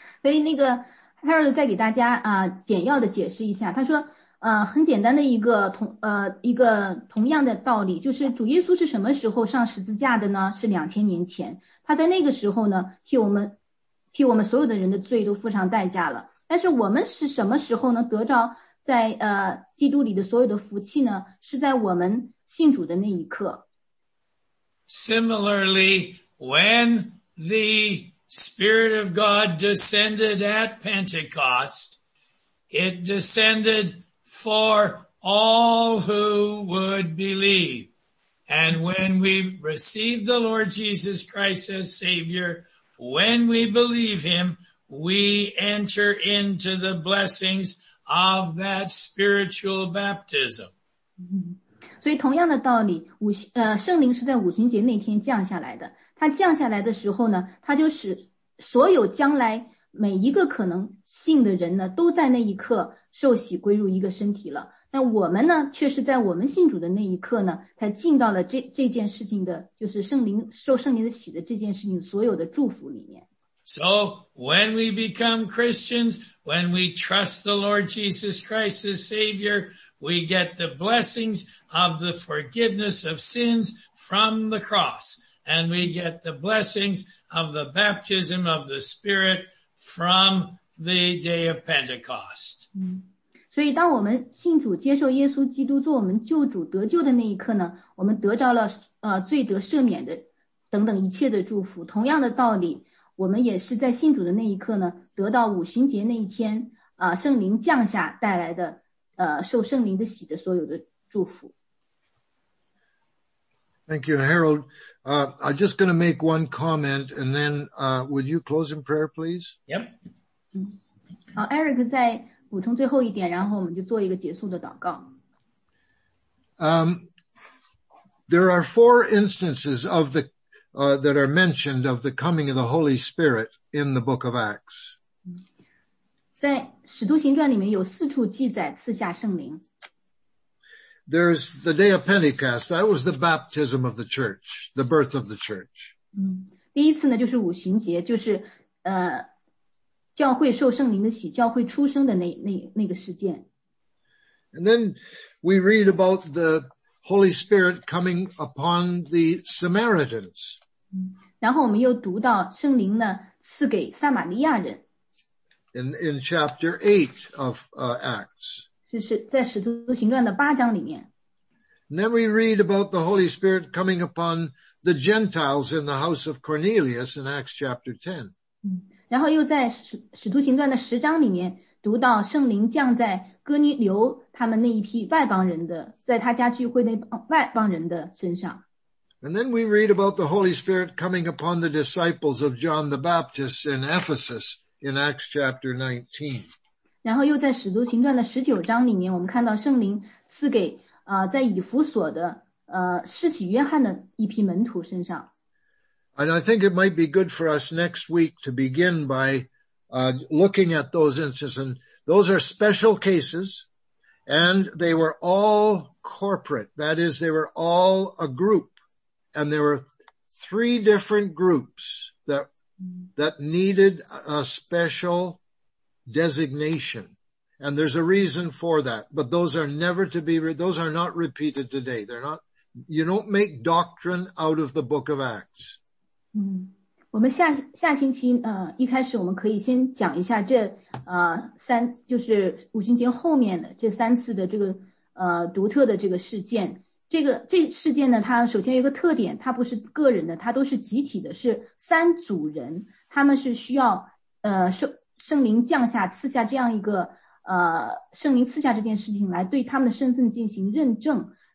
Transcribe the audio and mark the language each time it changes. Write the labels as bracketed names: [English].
[Chinese] 所以那个 Harold 再给大家简要的解释一下，他说很简单的一个同样的道理，就是主耶稣是什么时候上十字架的呢？是2000年前，他在那个时候呢，替我们所有的人的罪都付上代价了。但是我们是什么时候呢？得着在基督里的所有的福气呢？是在我们信主的那一刻。 [English] Similarly, when the Spirit of God descended at Pentecost, it descended. For all who would believe. And when we receive the Lord Jesus Christ as Savior, when we believe Him, we enter into the blessings of that spiritual baptism. [Chinese] 所以同样的道理，圣灵是在五旬节那天降下来的。他降下来的时候呢，他就使所有将来每一个可能性的人呢，都在那一刻受洗归入一个身体了。那我们呢，却是在我们信主的那一刻呢，才进到了这件事情的，就是圣灵受圣灵的洗的这件事情所有的祝福里面。 [English] So when we become Christians, when we trust the Lord Jesus Christ as Savior, we get the blessings of the forgiveness of sins from the cross, and we get the blessings of the baptism of the Spirit from the day of Pentecost. [Chinese] 所以当我们信主接受耶稣基督做我们救主得救的那一刻呢，我们得着了罪得赦免的等等一切的祝福。同样的道理，我们也是在信主的那一刻呢，得到五旬节那一天圣灵降下带来的受圣灵的洗的所有的祝福。 [English] Thank you, Harold. I'm just going to make one comment, and then would you close in prayer, please? Yep. [Chinese] 好，Eric 再补充最后一点，然后我们就做一个结束的祷告。 [English] There are four instances of the that are mentioned of the coming of the Holy Spirit in the Book of Acts. [Chinese] 在《使徒行传》里面有四处记载赐下圣灵。 [English] There's the day of Pentecost. That was the baptism of the church, the birth of the church. [Chinese] 第一次呢就是五旬节，就是教会受圣灵的洗，教会出生的那个事件。 [English] And then we read about the Holy Spirit coming upon the Samaritans. [Chinese] 然后我们又读到圣灵呢赐给撒玛利亚人。 [English] In chapter 8 of Acts. Then we read about the Holy Spirit coming upon the Gentiles in the house of Cornelius in Acts chapter 10. [Chinese] 然后又在使徒行传的十章里面读到圣灵降在哥尼流他们那一批外邦人的，在他家聚会那外邦人的身上。 [English] And then we read about the Holy Spirit coming upon the disciples of John the Baptist in Ephesus in Acts chapter 19. [Chinese] 然后又在使徒行传的十九章里面我们看到圣灵赐给在以弗所的施洗约翰的一批门徒身上。 [English] And I think it might be good for us next week to begin by looking at those instances. And those are special cases, and they were all corporate. That is, they were all a group. And there were three different groups that needed a specialdesignation. And there's a reason for that, but those are never to be, those are not repeated today. They're not, you don't make doctrine out of the book of Acts. [Chinese] 我们下星期一开始我们可以先讲一下这三，就是五旬节后面的这三次的这个独特的这个事件。这事件呢，它首先有一个特点，它不是个人的，它都是集体的，是三组人，他们是需要圣灵降下赐下这样一个圣灵赐下这件事情来对他们的身份进行认证。